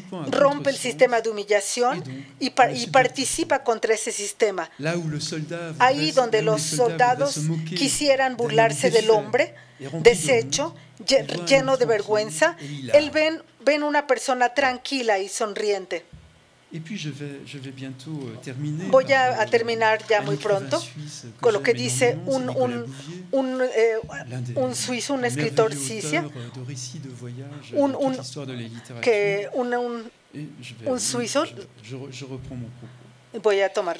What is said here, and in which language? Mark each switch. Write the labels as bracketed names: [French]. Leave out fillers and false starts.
[Spanish] Rompe el sistema de humillación y participa contra ese sistema. Ahí donde los soldados quisieran burlarse del hombre, deshecho, lleno de vergüenza, él ve una persona tranquila y sonriente. [French] Et puis je vais bientôt terminer. [Spanish] Voy a terminar ya muy pronto con lo que dice un suizo, un escritor suizo, un suizo. [French] Je reprends mon propos. [Spanish] Voy a tomar.